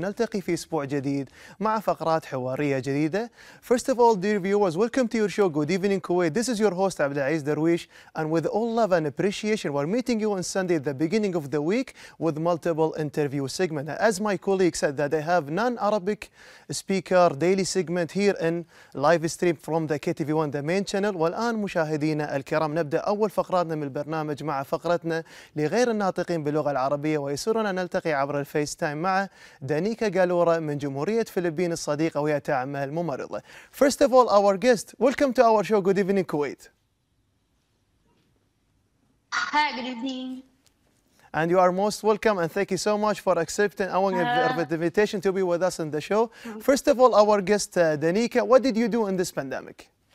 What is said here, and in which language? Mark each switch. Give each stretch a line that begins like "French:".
Arabic: نلتقي في أسبوع جديد مع فقرات حوارية جديدة.
English: First of all, dear viewers, welcome to your show. Good evening, Kuwait. This is your host, عبد العزيز درويش. And with all love and appreciation, we're meeting you on Sunday, the beginning of the week, with multiple interview segments. As my colleague said, that I have non-Arabic speaker daily segment here in live stream from the KTV1, the main channel.
Arabic: والآن مشاهدينا الكرام نبدأ أول فقراتنا من البرنامج مع فقرتنا لغير الناطقين باللغة العربية. ويسرنا نلتقي عبر الفيس مع داميكا غالورا من جمهورية الفلبين الصديقة وهي تعمل الممرضة.
English: First of all, our guest, welcome to our show. Good evening, Kuwait. Hi, good evening. And you are most welcome and thank you so much for accepting our invitation to be with us in the show. First of all, our guest, Daniika, what did you do in this pandemic?